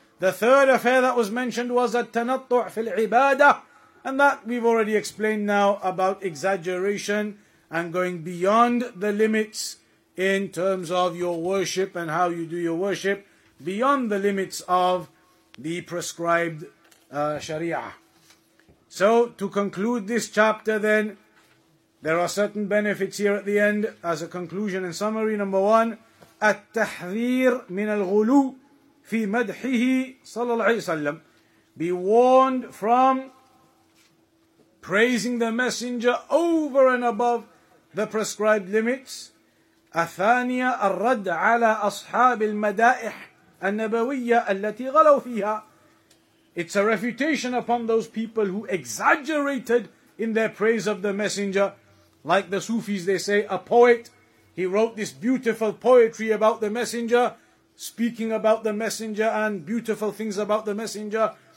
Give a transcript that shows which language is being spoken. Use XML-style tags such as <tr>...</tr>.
<en>The third affair that was mentioned was</en> <ar>at-tanattu' fil ibadah,</ar> <en>and that we've already explained now about exaggeration and going beyond the limits in terms of your worship and how you do your worship, beyond the limits of the prescribed sharia. So to conclude this chapter then, there are certain benefits here at the end as a conclusion and summary. Number one,</en> <ar>التحذير من الغلو في مدحه صلى الله عليه وسلم.</ar> <en>Be warned from praising the messenger over and above the prescribed limits.</en> <ar>الثانية الرد على أصحاب المدائح النبوية التي غلوا فيها.</ar> <en>It's a refutation upon those people who exaggerated in their praise of the messenger. Like the Sufis, they say, a poet, he wrote this beautiful poetry about the messenger, speaking about the messenger and beautiful things about the messenger.</en>